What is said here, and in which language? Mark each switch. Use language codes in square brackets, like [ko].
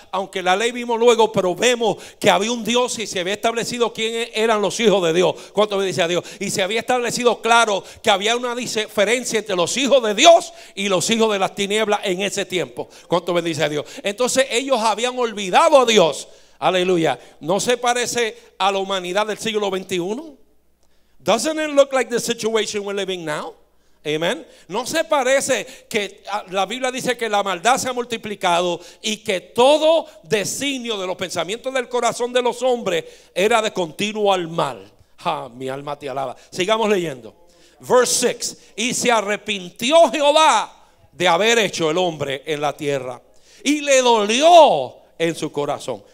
[es] Aunque la ley vimos luego, pero vemos que había un Dios y se había establecido quién eran los hijos de Dios. ¿Cuánto me dice a Dios? Y se había establecido claro que había una diferencia entre los hijos de Dios y los hijos de las tinieblas en ese tiempo. ¿Cuánto me dice a Dios? Entonces ellos habían olvidado a Dios. Aleluya. ¿No se parece a la humanidad del siglo 21? [en] Doesn't it look like the situation we're living now? Amen. [es] ¿No se parece que la Biblia dice que la maldad se ha multiplicado y que todo designio de los pensamientos del corazón de los hombres era de continuo al mal? Ja, mi alma te alaba. Sigamos leyendo. [en] Verse 6. [es] Y se arrepintió Jehová de haber hecho el hombre en la tierra y le dolió en su corazón.